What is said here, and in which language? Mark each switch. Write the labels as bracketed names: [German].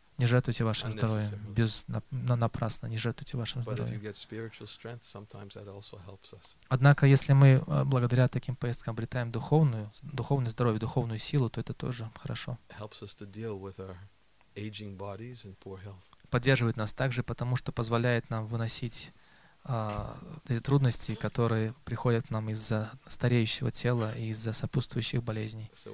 [Russian] не жертвуйте вашим здоровьем. Напрасно не жертвуйте вашим здоровьем. [English] But if you get spiritual strength, sometimes that also helps us. [Russian] Однако, если мы благодаря таким поездкам обретаем духовное здоровье, духовную силу, то это тоже хорошо. [English] Helps us to deal with our aging bodies and poor health. [Russian] Поддерживает нас также, потому что позволяет нам выносить эти трудности, которые приходят нам из-за стареющего тела и из-за сопутствующих болезней.